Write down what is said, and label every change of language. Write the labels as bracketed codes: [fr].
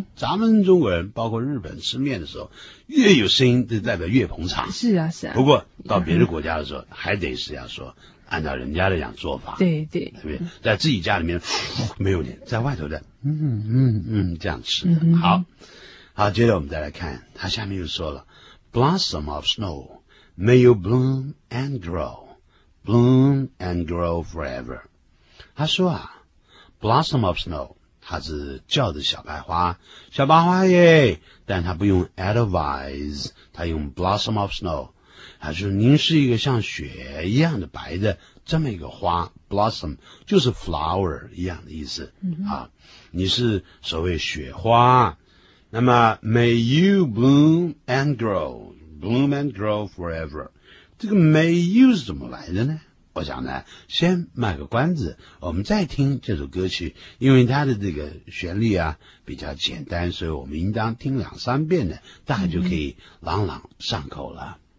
[zh] 咱们中国人包括日本吃面的时候，越有声音就代表越捧场。是啊，是啊。不过到别的国家的时候，还得是要说按照人家的讲做法。对对，对不对？在自己家里面没有脸，在外头的，这样吃的。好，好，接着我们再来看，他下面又说了 ， [en] Blossom of snow may you bloom and grow forever。 [zh] 他说啊 ， [en] Blossom of snow。 [zh] 它是叫的小白花，小白花耶，但它不用 advise， 它用 [en] blossom of snow， [zh] 它就是您是一个像雪一样的白的这么一个花， blossom 就是 flower 一样的意思、啊，你是所谓雪花。那么 [en] may you bloom and grow forever， [zh] 这个 may you 是怎么来的呢？我想呢先卖个关子，我们再听这首歌曲，因为它的这个旋律啊比较简单，所以我们应当听两三遍呢大概就可以朗朗上口了。